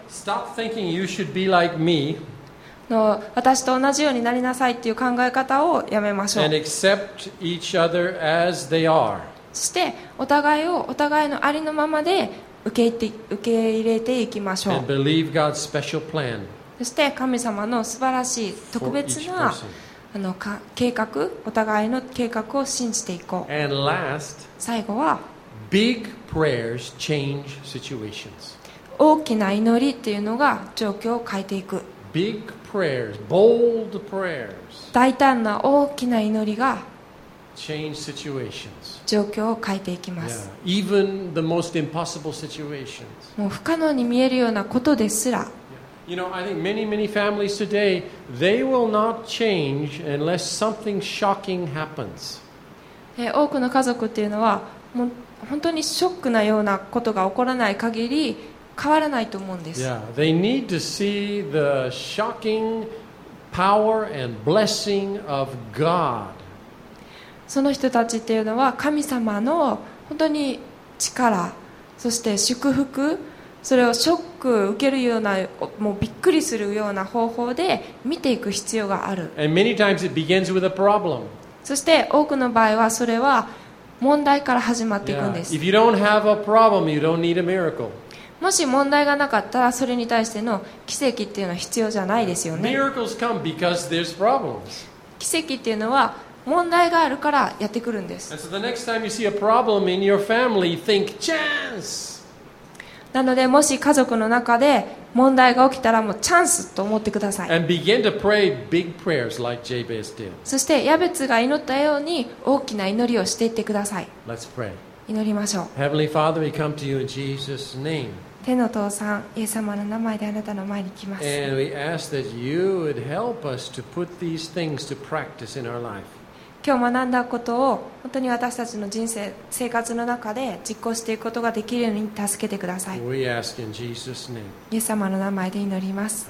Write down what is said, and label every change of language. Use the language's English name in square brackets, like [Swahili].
[English] Stop thinking you should be like me. [Japanese] の私と同じようになりなさいという考え方をやめましょう。 [English] And accept each other as they are. [Japanese] そしてお互いをお互いのありのままで受け入れていきましょう。 [English] And believe God's special plan. [Japanese] そして神様の素晴らしい特別なあの計画、お互いの計画を信じていこう。 [English] And last, [Japanese] 最後は [English] Big prayers change situations. [Japanese] 大きな祈りっていうのが状況を変えていく。 [English] Big prayers, bold prayers. [Japanese] 大胆な大きな祈りが [English] Change situations. [Japanese] 状況を変えていきます。 [English] Yeah. Even the most impossible situations. [Japanese] もう不可能に見えるようなことですら。 [English] Yeah. You know, I think many, many families today, they will not change unless something shocking happens. [Japanese] 多くの家族っていうのは、もう本当にショックなようなことが起こらない限り変わらないと思うんです。 [English] Yeah. They need to see the shocking power and blessing of God. [Japanese] その人たちっていうのは神様の本当に力、そして祝福、それをショック受けるような、もうびっくりするような方法で見ていく必要がある。 [English] And many times it begins with a problem. [Japanese] そして多くの場合はそれは問題から始まっていくんです。 [English] If you don't have a problem, you don't need a miracle. [Japanese] もし問題がなかったらそれに対しての奇跡っていうのは必要じゃないですよね。 [English] Miracles come because there's problems. [Japanese] 奇跡っていうのは問題があるからやってくるんです。 [English] And so the next time you see a problem in your family, think chance. [Japanese] なので、もし家族の中で問題が起きたら、もうチャンスと思ってください。 [English] And begin to pray big prayers like Jabez did. [Japanese] そしてヤベツが祈ったように大きな祈りをしていってください。 [English] Let's pray. [Japanese] 祈りましょう。 [English] Heavenly Father, we come to you in Jesus' name. [Japanese] 天の父さん、イエス様の名前であなたの前に来ます。 [English] And we ask that you would help us to put these things to practice in our life. [Japanese] 今日学んだことを本当に私たちの人生、生活の中で実行していくことができるように助けてください。 [English] We ask in Jesus' name. [Japanese] イエス様の名前で祈ります。